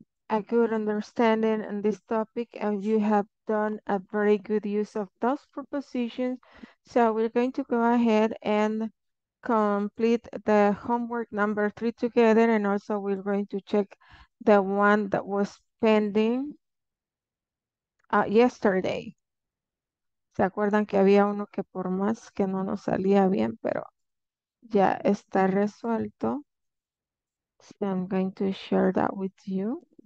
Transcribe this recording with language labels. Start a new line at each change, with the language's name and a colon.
English: a good understanding on this topic, and you have done a very good use of those prepositions. So we're going to go ahead and complete the homework number 3 together, and also we're going to check the one that was pending yesterday.
Spanish: ¿Se acuerdan que había uno que por más que no nos salía bien, pero ya está resuelto?
English: So I'm going to share that with you.